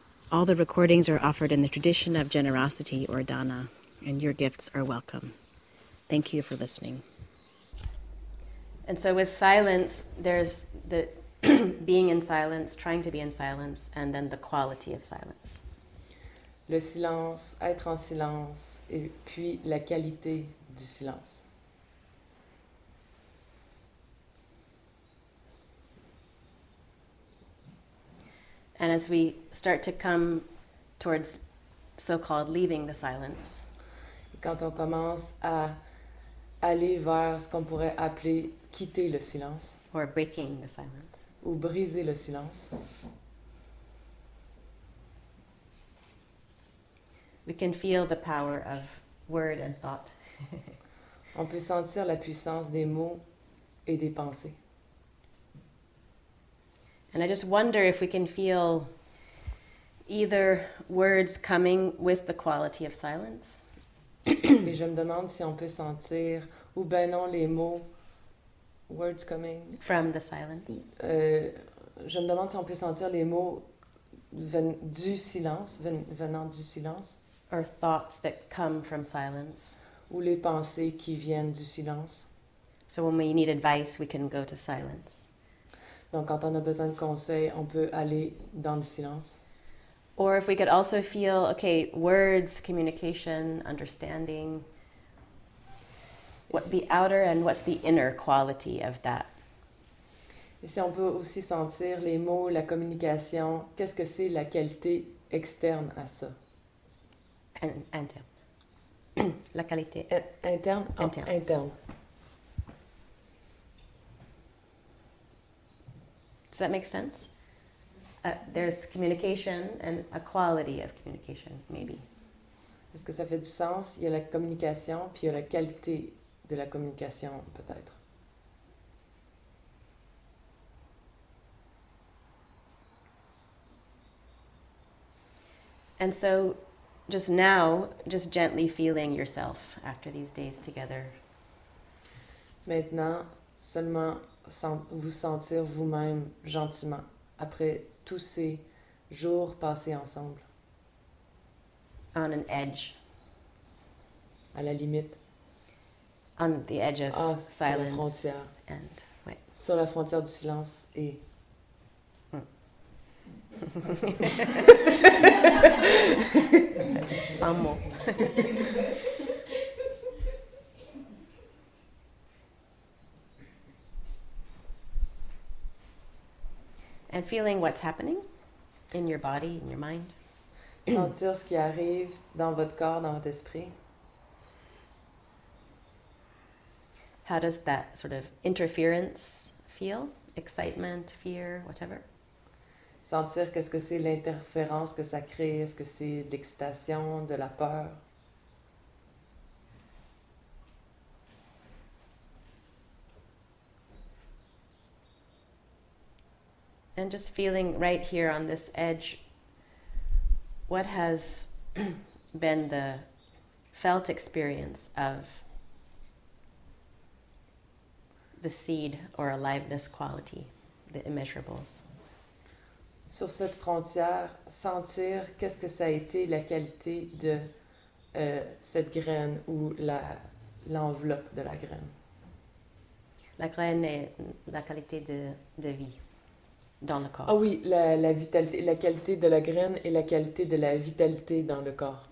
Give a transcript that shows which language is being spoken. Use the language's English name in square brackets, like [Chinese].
[English] All the recordings are offered in the tradition of generosity or dana, and your gifts are welcome. Thank you for listening. And so with silence, there's the being in silence, trying to be in silence, and then the quality of silence. [French] Le silence, être en silence, et puis la qualité du silence. [English] And as we start to come towards so-called leaving the silence, [French] quand on commence à aller vers ce qu'on pourrait appeler quitter le silence. [English] Or breaking the silence. [French] Ou briser le silence. [English] We can feel the power of word and thought. [French] On peut sentir la puissance des mots et des pensées. [English] And I just wonder if we can feel either words coming with the quality of silence. [French] Et je me demande si on peut sentir ou ben non les mots [English] words coming from the silence. [French] Je me demande si on peut sentir les mots venant du silence. [English] Or thoughts that come from silence. [French] Ou les pensées qui viennent du silence. [English] So when we need advice, we can go to silence. [French] Donc quand on a besoin de conseils, on peut aller dans le silence. [English] Or if we could also feel, okay, words, communication, understanding, what's the outer and what's the inner quality of that? [French] Et si on peut aussi sentir les mots, la communication, qu'est-ce que c'est la qualité externe à ça? Interne. La qualité. Interne? Interne. Oh, interne. [English] Does that make sense? There's communication and a quality of communication, maybe. [French] Est-ce que ça fait du sens? Il y a la communication, puis il y a la qualité de la communication, peut-être. [English] And so, just now, just gently feeling yourself after these days together. [French] Maintenant, seulement vous sentir vous-même gentiment après tous ces jours passés ensemble. [English] On an edge. [French] À la limite. [English] On the edge of silence. [French] Sur la frontière. [English] And, ouais. [French] Sur la frontière du silence et... Sans mots. [English] And feeling what's happening in your body, in your mind. [French] Sentir ce qui arrive dans votre corps, dans votre esprit. [English] How does that sort of interference feel? Excitement, fear, whatever. [French] Sentir qu'est-ce que c'est l'interférence que ça crée, est-ce que c'est de l'excitation, de la peur. [English] And just feeling right here on this edge, what has been the felt experience of the seed or aliveness quality, the immeasurables? [French] Sur cette frontière, sentir qu'est-ce que ça a été la qualité de cette graine ou l'enveloppe de la graine. La graine est la qualité de vie. Dans le corps. Ah oui, la vitalité, la qualité de la graine et la qualité de la vitalité dans le corps.